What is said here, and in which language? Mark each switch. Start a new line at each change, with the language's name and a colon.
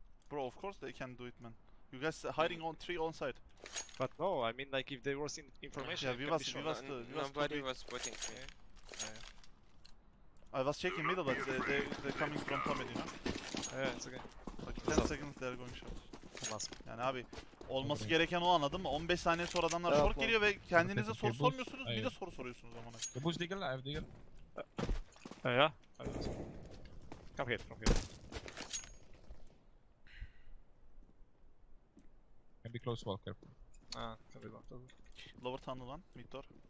English: Bro, of course they can do it, man. You guys hiding on three on side. But no, I mean like if there was in information. Yeah, nobody was putting me. Yeah. I was checking middle, but they're coming from top, you know. Yeah, it's okay. Like 10 seconds they're going short.
Turkish: Olmaz. Yani abi olması gereken o, anladın mı? 15 saniye sonra adamlar short geliyor ve kendinize soru sormuyorsunuz, bir de soru soruyorsunuz zamanı.
English: The bush digger, I have digger. Yeah. Come here, come here. Can be close wall, careful. Ah, can be one. Lower tunnel one, mid door.